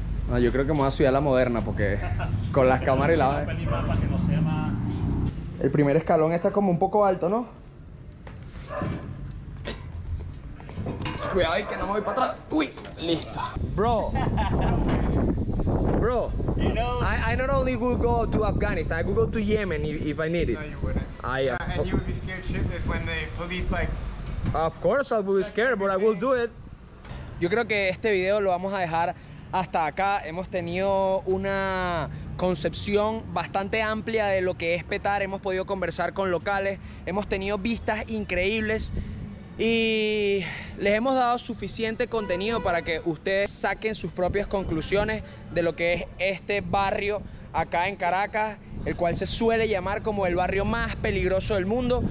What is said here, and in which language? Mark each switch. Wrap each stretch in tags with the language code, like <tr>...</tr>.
<es>No, yo creo que me voy a subir a la moderna porque con las cámaras y la... El primer escalón está como un poco alto, ¿no? Cuidado ahí que no me voy para atrás. ¡Uy! Listo. Bro. Bro.</es> <en>I not only would go to Afghanistan, I would go to Yemen if I need it. No, you wouldn't. And you would be scared shitless when the police, like... Of course I will be scared, but I will do it.</en> <es>Yo creo que este video lo vamos a dejar hasta acá. Hemos tenido una concepción bastante amplia de lo que es Petare. Hemos podido conversar con locales, hemos tenido vistas increíbles y les hemos dado suficiente contenido para que ustedes saquen sus propias conclusiones de lo que es este barrio acá en Caracas, el cual se suele llamar como el barrio más peligroso del mundo.</es>